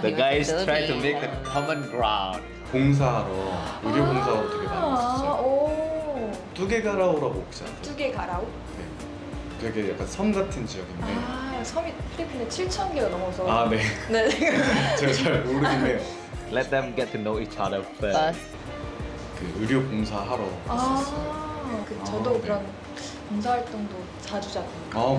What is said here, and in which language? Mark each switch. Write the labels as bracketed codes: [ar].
[en] The guys try to make a common ground. [ko] 봉사하러, 의료 봉사하러 되게 많이 왔었어요. 두개 가라오라고 혹시 아세요? 두개 가라오? 네. 되게 약간 섬 같은 지역인데. 아, 섬이 필리핀에 7,000개가 넘어서. 아, 네. 네. 제가 잘 모르겠네요. [en] Let them get to know each other first. [ko] 그 의료 봉사하러 왔었어요. 그 저도 그런 봉사활동도 자주 자고